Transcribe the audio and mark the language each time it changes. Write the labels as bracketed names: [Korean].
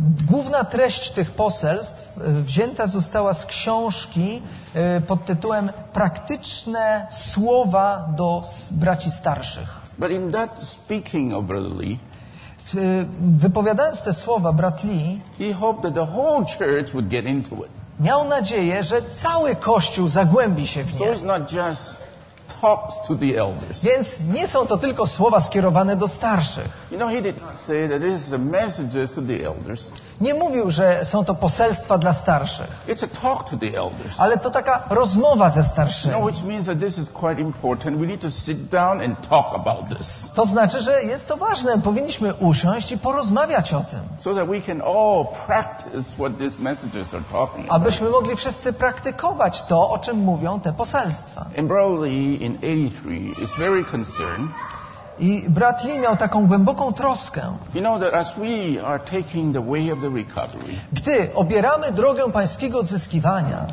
[Polish] Główna treść tych poselstw wzięta została z książki pod tytułem Praktyczne słowa do braci starszych. [English] But in that speaking of Brother Lee, [Polish] wypowiadając te słowa, brat Lee, [English] he hoped that the whole church would get into it. [Polish] Miał nadzieję, że cały kościół zagłębi się w nie. [English] So it's not just talks to the elders. [Polish] Więc nie są to tylko słowa skierowane do starszych. [English] You know, he did not say that this is the messages to the elders. [Polish] Nie mówił, że są to poselstwa dla starszych. [English] It's a talk to the elders. [Polish] Ale to taka rozmowa ze starszymi. [English] You know, which means that this is quite important. We need to sit down and talk about this. [Polish] To znaczy, że jest to ważne. Powinniśmy usiąść i porozmawiać o tym. [English] So that we can all practice what these messages are talking about. [Polish] Abyśmy mogli wszyscy praktykować to, o czym mówią te poselstwa. [English] And Broly in 83 is very concerned. [Polish] I brat Lee miał taką głęboką troskę. [English] You know that as we are taking the way of the recovery, [Polish] gdy obieramy drogę pańskiego odzyskiwania,